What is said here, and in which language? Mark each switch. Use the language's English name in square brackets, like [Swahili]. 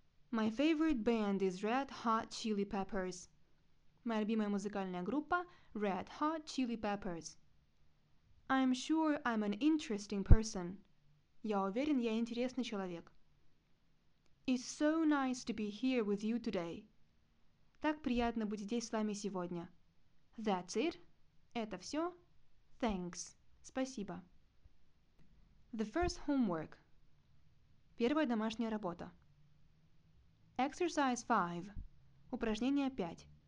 [English] My favorite band is Red Hot Chili Peppers. [Russian] Моя любимая музыкальная группа – Red Hot Chili Peppers. [English] I'm sure I'm an interesting person. [Russian] Я уверен, я интересный человек. [English] It's so nice to be here with you today. [Russian] Так приятно быть здесь с вами сегодня. [English] That's it. [Russian] Это все. [English] Thanks. [Russian] Спасибо. [English] The first homework. [Russian] Первая домашняя работа. [English] Exercise 5. [Russian] Упражнение 5.